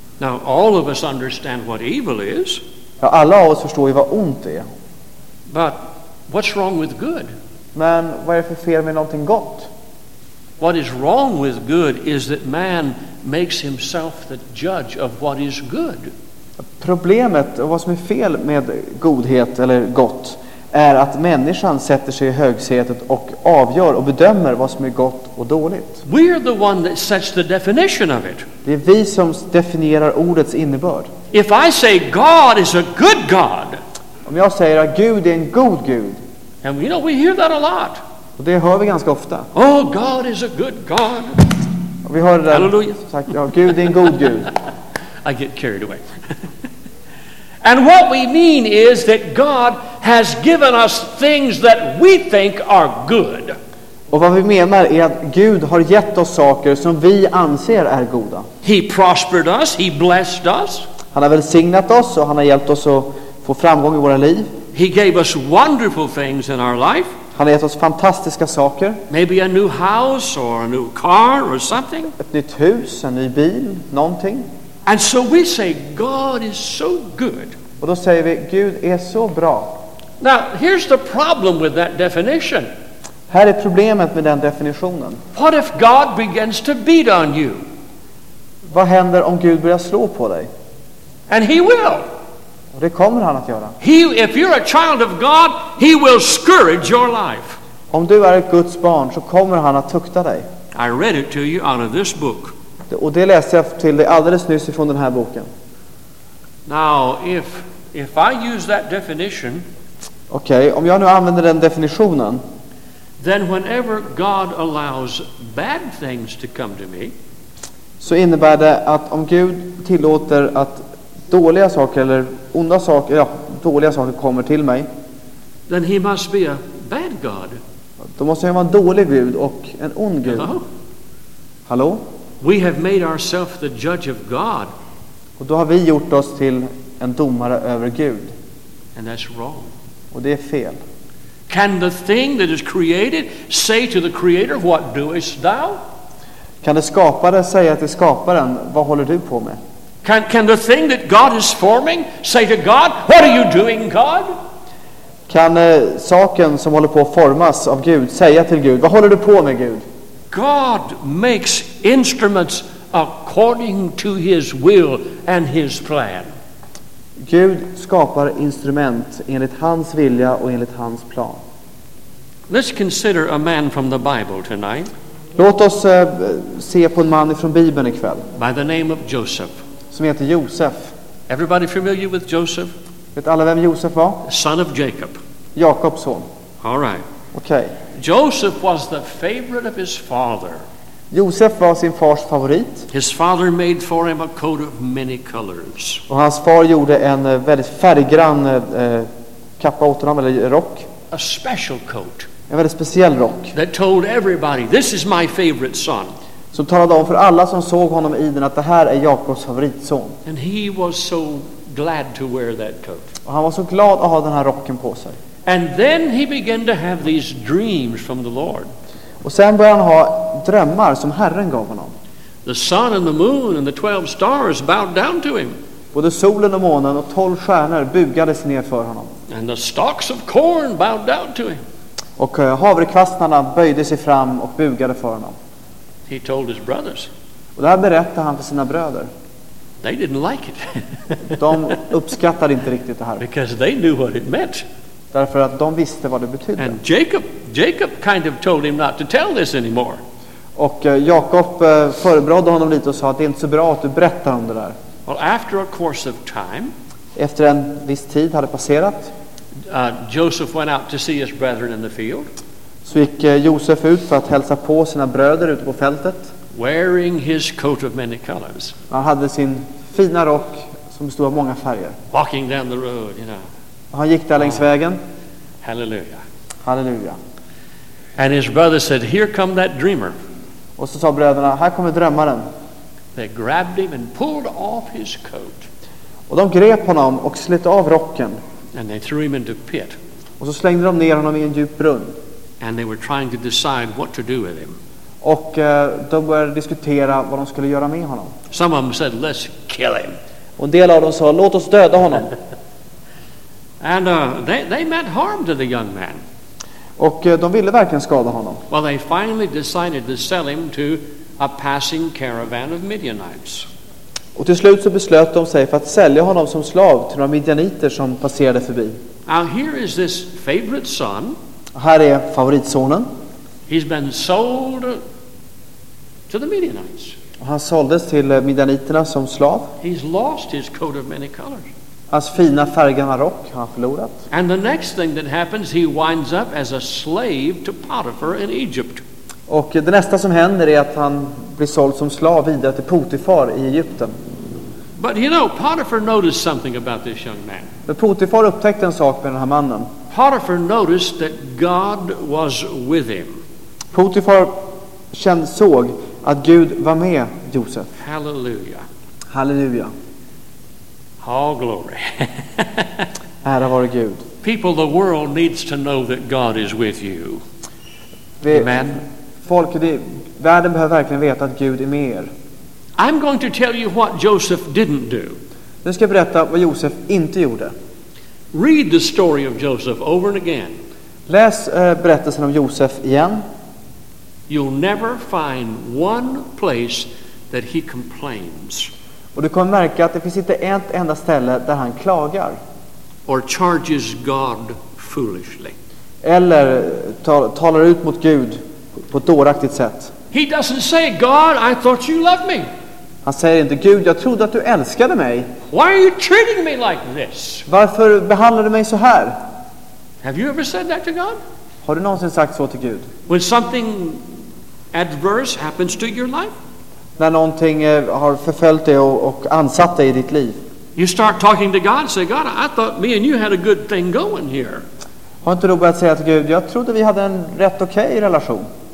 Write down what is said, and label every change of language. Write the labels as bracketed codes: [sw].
[en] Now all of us understand what evil is. [sv] Ja, alla av oss förstår ju vad ont är. [en] But what's wrong with good? [sv] Men vad är det för fel med någonting gott? [en] What is wrong with good is that man makes himself the judge of what is good. [sv] Problemet och vad som är fel med godhet eller gott är att människan sätter sig i högsätet och avgör och bedömer vad som är gott och dåligt. [en] We are the one that sets the definition of it. [sv] Det är vi som definierar ordets innebörd. [en] If I say God is a good God. [sv] Om jag säger att Gud är en god Gud. [en] And you know, we hear that a lot. [sv] Och det hör vi ganska ofta. [en] Oh, God is a good God. [sv] Och vi hör det där. [en] Halleluja. [sv] Sagt, ja, Gud är en god Gud. [en] I get carried away. And what we mean is that God has given us things that we think are good. [sv] Och vad vi menar är att Gud har gett oss saker som vi anser är goda. [en] He prospered us, he blessed us. [sv] Han har välsignat oss och han har hjälpt oss att få framgång i våra liv. [en] He gave us wonderful things in our life. [sv] Han har gett oss fantastiska saker. [en] Maybe a new house or a new car or something. [sv] Ett nytt hus, en ny bil, någonting. [en] And so we say God is so good. [sv] Och då säger vi Gud är så bra. [en] Now, here's the problem with that definition. [sv] Här är problemet med den definitionen. [en] What if God begins to beat on you? [sv] Vad händer om Gud börjar slå på dig? [en] And he will. [sv] Och det kommer han att göra. [en] He, if you're a child of God, he will scourge your life. [sv] Om du är ett Guds barn så kommer han att tukta dig. [en] I read it to you out of this book. [sv] Och det läste jag till dig alldeles nyss ifrån den här boken. [en] Now, if I use that definition. [sv] Okej, om jag nu använder den definitionen. [en] Then whenever God allows bad things to come to me. [sv] Så innebär det att om Gud tillåter att dåliga saker eller onda saker, ja, dåliga saker kommer till mig. [en] Then he must be a bad God. [sv] Då måste han vara en dålig Gud och en ond Gud. [en] Hello? [sv] Hallå? [en] We have made ourselves the judge of God. [sv] Och då har vi gjort oss till en domare över Gud. [en] And that's wrong. [sv] Och det är fel. [en] Can the thing that is created say to the creator, what doest thou? [sv] Kan det skapade säga till skaparen, vad håller du på med? [en] Can the thing that God is forming say to God, what are you doing, God? [sv] Kan saken som håller på att formas av Gud säga till Gud, vad håller du på med, Gud? [en] God makes instruments according to his will and his plan. [sv] Gud skapar instrument enligt hans vilja och enligt hans plan. [en] Let's consider a man from the Bible tonight. [sv] Låt oss se på en man ifrån Bibeln ikväll. [en] By the name of Joseph. [sv] Som heter Josef. [en] Everybody familiar with Joseph? [sv] Vet alla vem Josef var? [en] Son of Jacob. [sv] Jakobs son. [en] All right. [sv] Okay. [en] Joseph was the favorite of his father. [sv] Josef var sin fars favorit. [en] His father made for him a coat of many colors. [sv] Och hans far gjorde en väldigt färggrann kappa åt honom, eller rock. [en] A special coat. [sv] En väldigt speciell rock. [en] That told everybody, this is my favorite son. [sv] Som talade om för alla som såg honom i den att det här är Jakobs favoritson. [en] And he was so glad to wear that coat. [sv] Och han var så glad att ha den här rocken på sig. [en] And then he began to have these dreams from the Lord. [sv] Och sen började han ha drömmar som Herren gav honom. [en] The sun and the moon and the 12 stars bowed down to him. [sv] Både solen och månen och 12 stjärnor bugades ner för honom. [en] And the stalks of corn bowed down to him. [sv] Och havrekvastarna böjde sig fram och bugade för honom. [en] He told his brothers. [sv] Och det här berättade han för sina bröder. [en] They didn't like it. [sv] De uppskattade inte riktigt det här. [en] Because they knew what it meant. [sv] Därför att de visste vad det betydde. [en] And Jacob kind of told him not to tell this anymore. [sv] Och Jakob förebrådde honom lite och sa att det är inte så bra att du berättar om det där. [en] Well, after a course of time, [sv] efter en viss tid hade passerat, [en] Joseph went out to see his brethren in the field. [sv] Så gick Josef ut för att hälsa på sina bröder ute på fältet. [en] Wearing his coat of many colors. [sv] Han hade sin fina rock som bestod av många färger. [en] Walking down the road, you know. [sv] Han gick där längs vägen. [en] Hallelujah. [sv] Halleluja. [en] And his brother said, "Here come that dreamer." [sv] Och så sa bröderna, "Här kommer drömmaren." [en] They grabbed him and pulled off his coat. [sv] Och de grep honom och slet av rocken. [en] And they threw him into a pit. [sv] Och så slängde de ner honom i en djup brunn. [en] And they were trying to decide what to do with him. [sv] Och de började diskutera vad de skulle göra med honom. [en] Some of them said, "Let's kill him." [sv] Och en del av dem sa, "Låt oss döda honom." [en] And they meant harm to the young man. [sv] Och de ville verkligen skada honom. [en] Well, they finally decided to sell him to a passing caravan of Midianites. [sv] Och till slut så beslöt de sig för att sälja honom som slav till några midjaniter som passerade förbi. [en] Now here is this favorite son. [sv] Här är favoritsonen. [en] He's been sold to the Midianites. [sv] Han såldes till midjaniterna som slav. [en] He's lost his coat of many colors. [sv] Hans fina färgglada rock har han förlorat. [en] And the next thing that happens, he winds up as a slave to Potiphar in Egypt. [sv] Och det nästa som händer är att han blir såld som slav vidare till Potifar i Egypten. [en] But you know, Potiphar noticed something about this young man. [sv] Men Potifar upptäckte en sak med den här mannen. [en] Potiphar noticed that God was with him. [sv] Potifar kände såg att Gud var med Josef. [en] Halleluja. [sv] Halleluja. [en] All glory. [sv] Ära vare Gud. [en] People, the world needs to know that God is with you. [sv] Amen. Folk, världen behöver verkligen veta att Gud är med er. [en] I'm going to tell you what Joseph didn't do. [sv] Nu ska jag berätta vad Josef inte gjorde. [en] Read the story of Joseph over and again. [sv] Läs berättelsen om Josef igen. [en] You'll never find one place that he complains. [sv] Och du kommer märka att det finns inte ett enda ställe där han klagar. [en] Or charges God foolishly. [sv] Eller talar ut mot Gud på ett dåraktigt sätt. [en] He doesn't say, "God, I thought you loved me." [sv] Han säger inte, "Gud, jag trodde att du älskade mig." [en] "Why are you treating me like this?" [sv] Varför behandlar du mig så här? [en] Have you ever said that to God? [sv] Har du någonsin sagt så till Gud? [en] When something adverse happens to your life? [sv] När någonting har förföljt dig och ansatt dig i ditt liv. [en] You start talking to God, say, "God, I thought me and you had a good thing going here." [sv] Har inte du börjat säga till Gud, "Jag trodde vi hade en rätt okej relation."